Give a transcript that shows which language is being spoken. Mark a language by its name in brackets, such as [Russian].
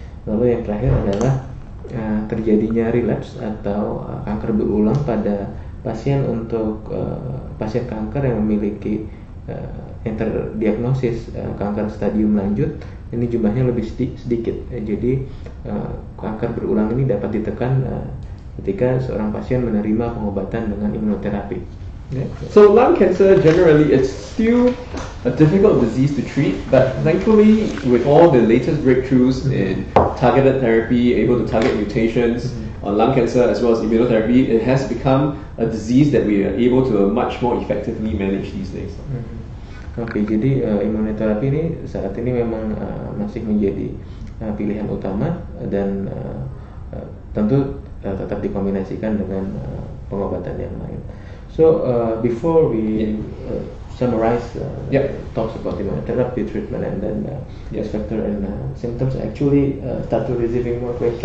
[Indonesian] Lalu yang terakhir adalah terjadinya relapse atau kanker berulang pada pasien untuk pasien kanker yang memiliki yang terdiagnosis kanker stadium lanjut. Ini jumlahnya lebih sedikit, jadi kanker berulang ini dapat ditekan ketika seorang pasien menerima pengobatan dengan imunoterapi. [English] So lung cancer generally it's still a difficult disease to treat, but thankfully with all the latest breakthroughs in targeted therapy, able to target mutations on lung cancer as well as immunotherapy, it has become a disease that we are able to much more effectively manage these days. [Indonesian] Okay, jadi imunoterapi ini saat ini memang masih menjadi pilihan utama dan tentu tetap dikombinasikan dengan pengobatan yang lain. [English] So before we summarize talks about immunotherapy treatment and then risk factor and symptoms, actually start to receiving more questions.